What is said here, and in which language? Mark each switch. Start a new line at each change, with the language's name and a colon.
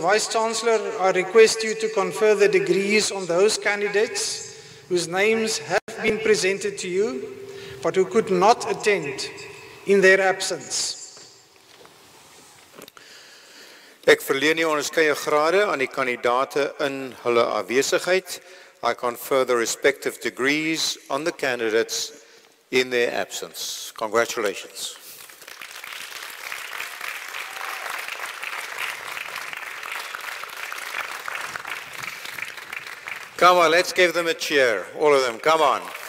English: Vice Chancellor, I request you to confer the degrees on those candidates whose names have been presented to you, but who could not attend in their absence.
Afrikaans: Ek verleen die onderskeie grade aan die kandidate in hulle afwesigheid.
English: I confer the respective degrees on the candidates in their absence. Congratulations. Come on, let's give them a cheer, all of them, come on.